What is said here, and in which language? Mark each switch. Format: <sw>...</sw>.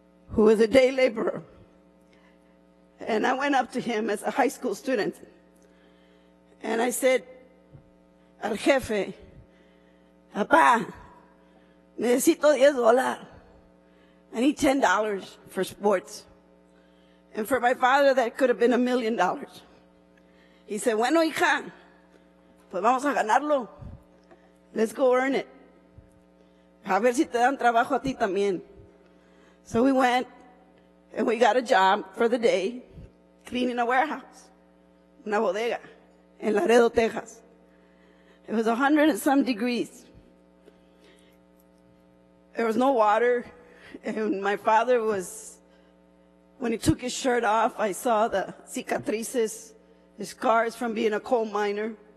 <en>who was a day laborer. And I went up to him as a high school student. And I said,</en> <es>al jefe, papá, necesito 10 dólares.</es> <en>I need $10 for sports. And for my father, that could have been $1 million. He said,</en> <es>bueno, hija, pues vamos a ganarlo.</es> <en>Let's go earn it.</en> <es>A ver si te dan trabajo a ti también.</es> <en>So we went and we got a job for the day cleaning a warehouse, una bodega, in Laredo, Texas. It was 100 and some degrees. There was no water, and my father was, when he took his shirt off, I saw the cicatrices, the scars from being a coal miner.</en>